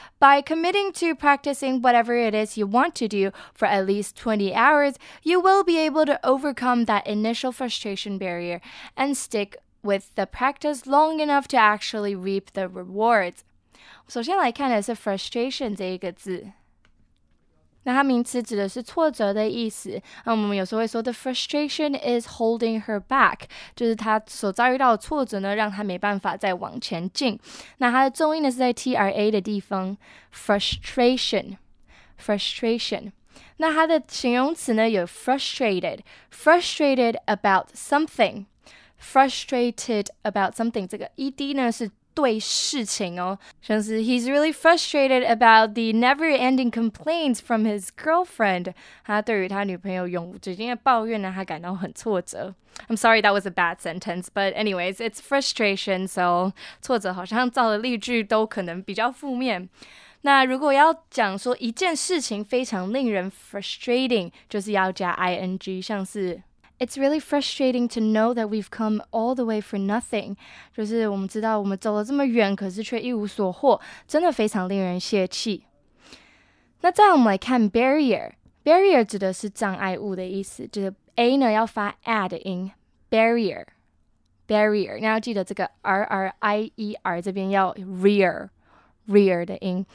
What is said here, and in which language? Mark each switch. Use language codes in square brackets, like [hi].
[en] By committing to practicing whatever it is you want to do for at least 20 hours, you will be able to overcome that initial frustration barrier and stick with the practice long enough to actually reap the rewards. [zh] 首先来看的是 frustration 这一个字。那它名词指的是挫折的意思。那我们有时候会说 [en] the frustration is holding her back， [zh] 就是她所遭遇到的挫折呢，让她没办法再往前进。那它的重音呢是在 tra 的地方 ，frustration。那它的形容词呢有 [en] frustrated about something， [zh] frustrated about something 这个 ed 呢是。对事情哦，像是 [en] he's really frustrated about the never-ending complaints from his girlfriend. [zh] 他对于他女朋友永无止境的抱怨呢，他感到很挫折。 [en] I'm sorry, that was a bad sentence, but anyways, it's frustration. [zh] So 挫折好像造的例句都可能比较负面。那如果要讲说一件事情非常令人 frustrating， 就是要加 ing， 像是。 [en] It's really frustrating to know that we've come all the way for nothing. [zh] 就是我们知道我们走了这么远，可是却一无所获，真的非常令人泄气。那再我们来看 barrier， barrier 指的是障碍物的意思，就是 a 呢要发 r 的音， barrier， barrier。那要记得这个 r r i e r 这边要 rear， rear 的音。